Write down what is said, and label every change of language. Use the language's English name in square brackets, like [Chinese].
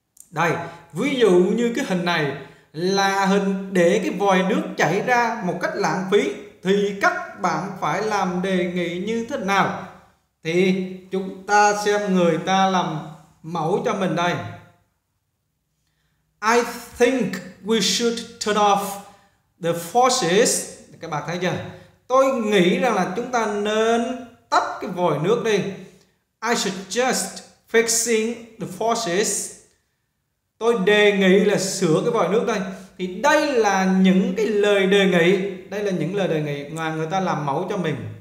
[Vietnamese] Đây, ví dụ như cái hình này là hình để cái vòi nước chảy ra một cách lãng phí thì các bạn phải làm đề nghị như thế nào? Thì chúng ta xem người ta làm mẫu cho mình đây. [English] I think we should turn off the faucets. [Vietnamese] Các bạn thấy chưa? Tôi nghĩ rằng là chúng ta nên tắt cái vòi nước đi. [English] I suggest fixing the faucets. [Vietnamese] Tôi đề nghị là sửa cái vòi nước đây. Thì đây là những cái lời đề nghị. Đây là những lời đề nghị mà người ta làm mẫu cho mình.